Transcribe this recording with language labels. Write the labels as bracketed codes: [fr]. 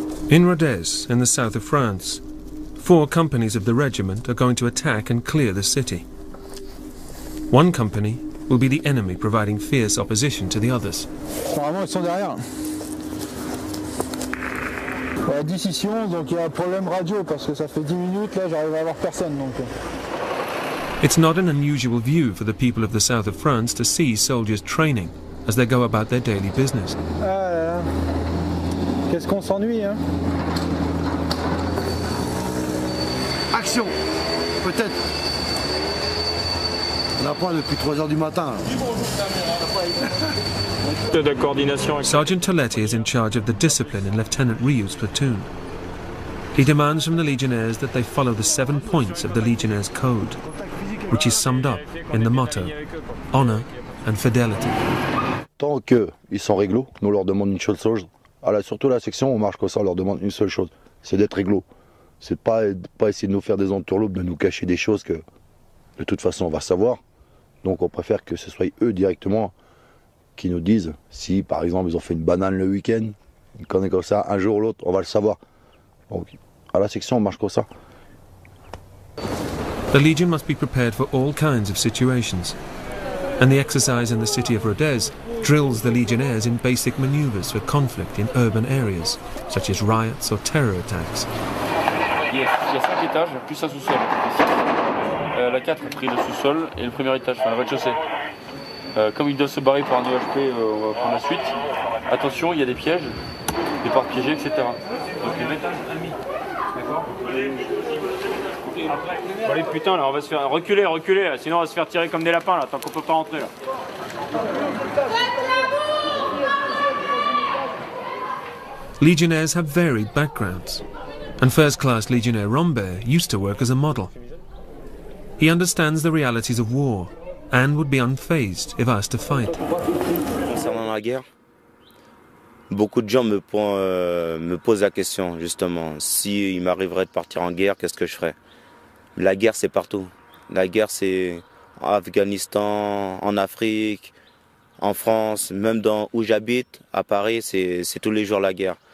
[en] In Rodez, in the south of France, four companies of the regiment are going to attack and clear the city. One company will be the enemy, providing fierce opposition to the others. [fr] Normalement, ils sont derrière. La décision, donc il y a un problème radio parce que ça fait 10 minutes là, j'arrive à avoir personne donc. [en] It's not an unusual view for the people of the south of France to see soldiers training as they go about their daily business. [fr] Ah là là. Qu'est-ce qu'on s'ennuie hein? Action. Peut-être. On n'a pas depuis 3h du matin. De coordination. [en] Sergeant Toletti is in charge of the discipline in Lieutenant Rioux's platoon. He demands from the legionnaires that they follow the 7 points of the legionnaires' code, which is summed up in the motto, honor and fidelity. [fr] Tant qu'ils sont réglo, nous leur demandons une seule chose. Surtout la section, on marche comme ça, on leur demande une seule chose. C'est d'être réglo. C'est pas essayer de nous faire des entourloupes, de nous cacher des choses que... De toute façon, on va savoir. Donc, on préfère que ce soit eux directement qui nous disent si, par exemple, ils ont fait une banane le week-end, ils connaissent comme ça, un jour ou l'autre, on va le savoir. Donc, à la section, on marche comme ça. [en] The Legion must be prepared for all kinds of situations. And the exercise in the city of Rodez drills the legionnaires in basic maneuvers for conflict in urban areas, such as riots or terror attacks. [fr] Il y a 5 étages, plus un sous-sol. La 4 a pris le sous-sol et le premier étage, enfin le rez-de-chaussée. Comme ils doivent se barrer pour un EHP, on va prendre la suite. Attention, il y a des pièges, des parts piégées, etc. Donc les étages, ami. D'accord. Allez, putain, là, on va se faire reculer, reculer, là, sinon on va se faire tirer comme des lapins, là, tant qu'on peut pas rentrer, là. [en] Legionnaires have varied backgrounds. And first-class legionnaire Rombert used to work as a model. He understands the realities of war and would be unfazed if asked to fight. [fr] Concernant la guerre, beaucoup de gens me posent la question justement, si il m'arriverait de partir en guerre, qu'est-ce que je ferais? La guerre c'est partout. La guerre c'est en Afghanistan, en Afrique, en France, même dans où j'habite, à Paris, c'est tous les jours la guerre.